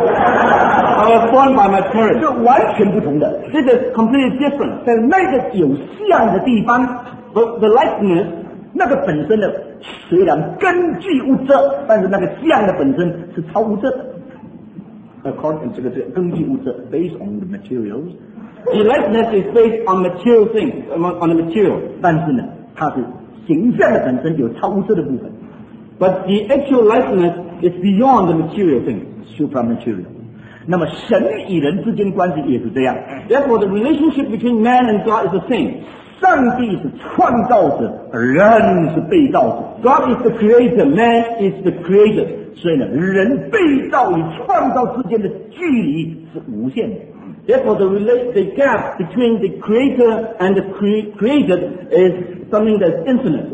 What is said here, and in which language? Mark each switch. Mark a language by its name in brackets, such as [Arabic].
[English] ，I was born by my parents。 [Chinese] 这完全不同的 [English] ，This is completely different。 [Chinese] 但那个有像的地方 [English] ，the likeness， [Chinese] 那个本身的虽然根据物质，但是那个像的本身是超物质的。 [English] According [Chinese] 这个根据物质 [English] ，based on the materials， the likeness is based on material things， on the material。 [Chinese] 但是呢，它是。形象的本身有超物质的部分 [English] ，but the actual likeness is beyond the material thing, supermaterial. [Chinese] 那么神与人之间关系也是这样。 [English] Therefore, the relationship between man and God is the same. [Chinese] 上帝是创造者，人是被造者。 [English] God is the creator, man is the creator. [Chinese] 所以呢，人被造与创造之间的距离是无限的。 [English] Therefore, the gap between the creator and the created is something that's infinite.